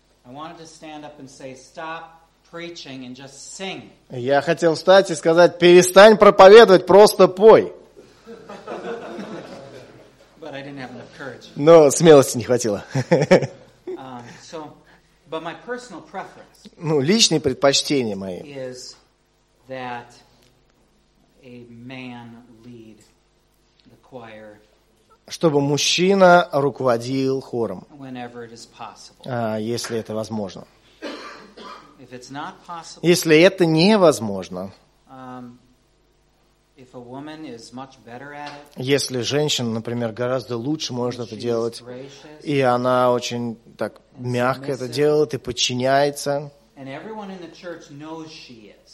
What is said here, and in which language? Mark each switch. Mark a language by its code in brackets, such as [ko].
[en] I wanted to stand up and say, "Stop preaching and just sing." [ru] Я хотел встать и сказать, перестань проповедовать, просто пой. [en] But I didn't have enough courage. [ru] Но смелости не хватило. [en] But my personal preference. [ru] Ну, личные предпочтения мои. [en] Is that a man lead the choir? [ru] Чтобы мужчина руководил хором, если это возможно. [en] If it's not possible, [ru] если это невозможно, [en] if a woman is much better at it, [ru] если женщина, например, гораздо лучше может это делать, и она очень так мягко это делает и подчиняется, [en] and everyone in the church knows she is.